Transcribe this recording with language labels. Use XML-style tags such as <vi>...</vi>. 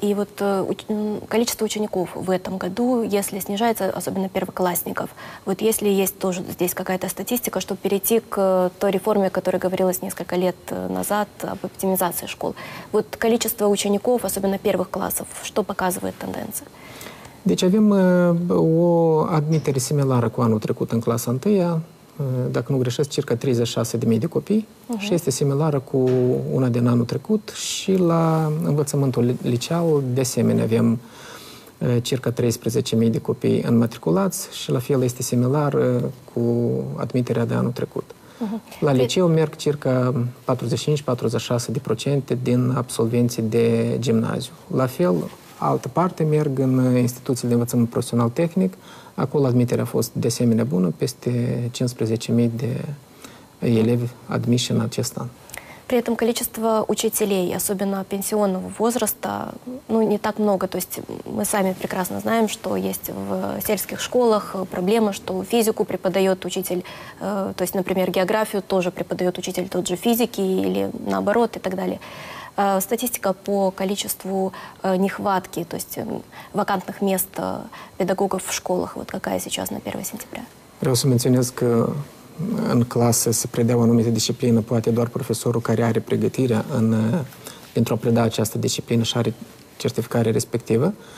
<ru>И вот количество учеников в этом году, если снижается, особенно первоклассников, вот если есть тоже здесь какая-то статистика, чтобы перейти к той реформе, о которой говорилось несколько лет назад, об оптимизации школ. Вот количество учеников, особенно первых классов, что показывает тенденция?</ru> <ro>Deci avem o admitere similară cu anul trecut în clasa întâia. Dacă nu greșesc, circa 36.000 de copii și este similară cu una din anul trecut și la învățământul liceal, de asemenea, avem circa 13.000 de copii înmatriculați și la fel este similar cu admiterea de anul trecut. La liceu merg circa 45-46% din absolvenții de gimnaziu. La fel, altă parte merg în instituțiile de învățământ profesional tehnic. Acolo admiterea a fost de asemenea bună, peste 15.000 de elevi admiși în acest an.</ro> <ru>При этом количество учителей, особенно пенсионного возраста, ну, не так много. То есть мы сами прекрасно знаем, что есть в сельских школах проблема, что физику преподает учитель, то есть, например, географию тоже преподает учитель тот же физики или наоборот и так далее. Статистика по количеству нехватки, то есть вакантных мест педагогов в школах, вот какая сейчас на 1 сентября?</ru> <ro>Vreau să menționez că în clase se predea o anumită disciplină, poate doar profesorul care are pregătirea pentru a preda această disciplină și are certificarea respectivă.</ro>